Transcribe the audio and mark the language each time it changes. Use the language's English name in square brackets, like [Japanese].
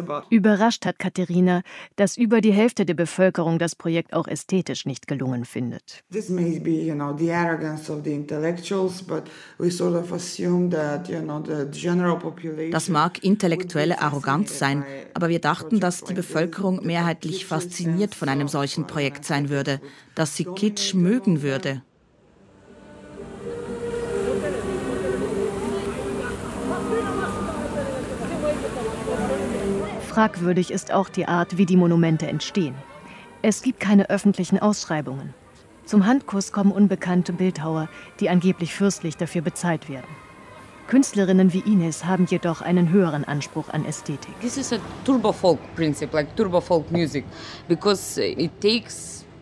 [German] Überrascht hat Katharina, dass über die Hälfte der Bevölkerung das Projekt auch ästhetisch nicht gelungen findet. [English] This may be, you know, the arrogance of the intellectuals, but we sort of assume that, you know, the general population. [German] Das mag intellektuelle Arroganz sein, aber wir dachten, dass die Bevölkerung mehrheitlich fasziniert von einem solchen Projekt sein würde, dass sie Kitsch mögen würde. Fragwürdig ist auch die Art, wie die Monumente entstehen. Es gibt keine öffentlichen Ausschreibungen. Zum Handkuss kommen unbekannte Bildhauer, die angeblich fürstlich dafür bezahlt werden. Künstlerinnen wie Ines haben jedoch einen höheren Anspruch an Ästhetik. [English] This is a turbo folk principle, like turbo folk music, because it takes.